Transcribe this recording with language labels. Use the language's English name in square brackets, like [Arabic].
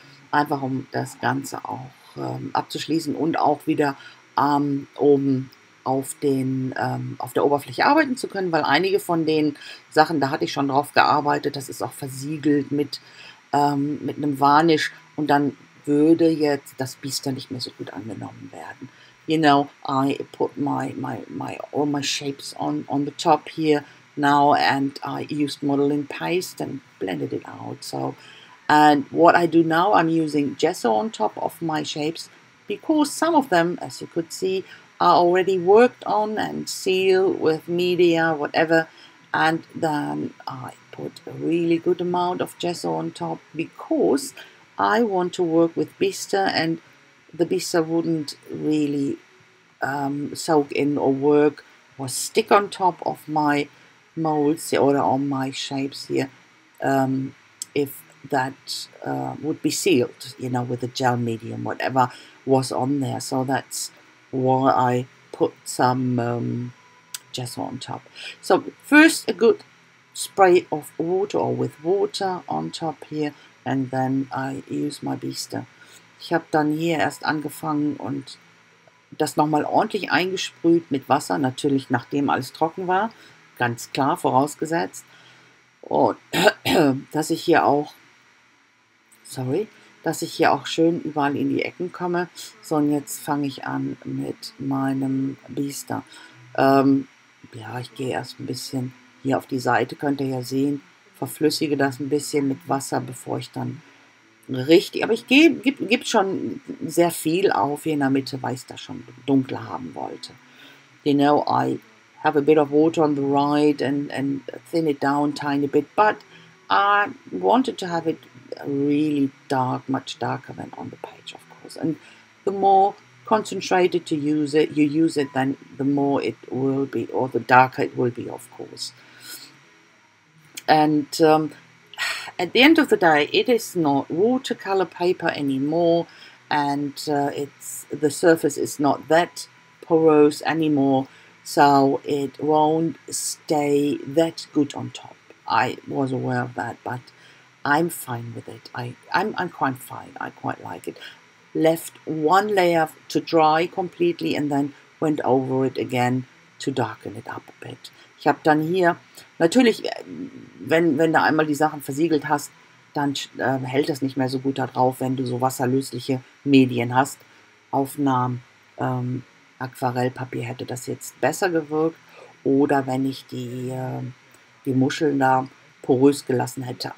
[German] Einfach um das Ganze auch abzuschließen und auch wieder oben auf der Oberfläche arbeiten zu können, weil einige von den Sachen, da hatte ich schon drauf gearbeitet, das ist auch versiegelt mit einem Varnish und dann würde jetzt das Bistre nicht mehr so gut angenommen werden. [English] You know, I put all my shapes on the top here now, and I used modeling paste and blended it out. So, and what I do now, I'm using gesso on top of my shapes, because some of them, as you could see, are already worked on and sealed with media, whatever. And then I put a really good amount of gesso on top, because I want to work with bistre, and the bistre wouldn't really soak in or work or stick on top of my molds or on my shapes here, if that would be sealed, you know, with a gel medium, whatever was on there. So that's why I put some gesso on top. So first a good spray of water or with water on top here, and then I use my bistre. [German] Ich habe dann hier erst angefangen und das nochmal ordentlich eingesprüht mit Wasser, natürlich nachdem alles trocken war, ganz klar vorausgesetzt, und dass ich hier auch, sorry, dass ich hier auch schön überall in die Ecken komme. So, und jetzt fange ich an mit meinem Bistre. Ja, ich gehe erst ein bisschen hier auf die Seite, könnt ihr ja sehen, verflüssige das ein bisschen mit Wasser, bevor ich dann richtig, aber ich gebe schon sehr viel auf hier in der Mitte, weil ich das schon dunkler haben wollte. [English] You know, I have a bit of water on the right and thin it down tiny bit, but I wanted to have it really dark, much darker than on the page, of course. And the more concentrated to use it, you use it, then the more it will be, or the darker it will be, of course. And at the end of the day, it is not watercolor paper anymore, and it's the surface is not that porous anymore, so it won't stay that good on top. I was aware of that, but I'm fine with it. I'm quite fine. I quite like it. Left one layer to dry completely and then went over it again to darken it up a bit. [German] Ich habe dann hier, natürlich, wenn du einmal die Sachen versiegelt hast, dann hält das nicht mehr so gut da drauf, wenn du so wasserlösliche Medien hast. Aufnahmen, Aquarellpapier hätte das jetzt besser gewirkt. Oder wenn ich die Muscheln da porös gelassen hätte.